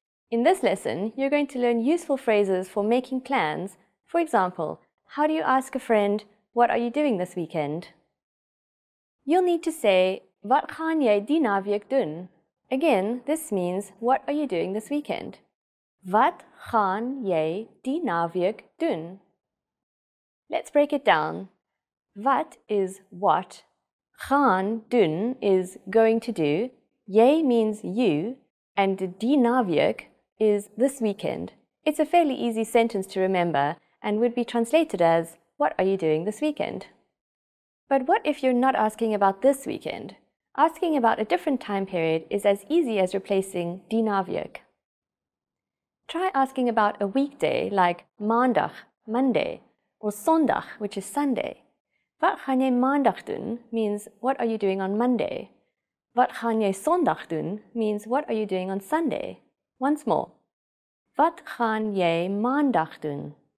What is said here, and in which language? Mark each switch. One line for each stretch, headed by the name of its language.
English: In this lesson, you're going to learn useful phrases for making plans. For example, how do you ask a friend, "What are you doing this weekend?" You'll need to say,
Afrikaans: "Wat gaan jy die naweek doen?"
English: Again, this means, "What are you doing this weekend?"
Afrikaans: Wat gaan jy die naweek doen?
English: Let's break it down. Wat is what. Gaan doen is going to do. Jy means you. And die naweek is this weekend. It's a fairly easy sentence to remember and would be translated as, "What are you doing this weekend?" But what if you're not asking about this weekend? Asking about a different time period is as easy as replacing die naweek. Try asking about a weekday like maandag, Monday, or sondag, which is Sunday.
Afrikaans: Wat gaan jy maandag doen
English: means what are you doing on Monday?
Afrikaans: Wat gaan jy Sondag doen
English: means what are you doing on Sunday. Once more.
Afrikaans: Wat gaan jy Maandag doen?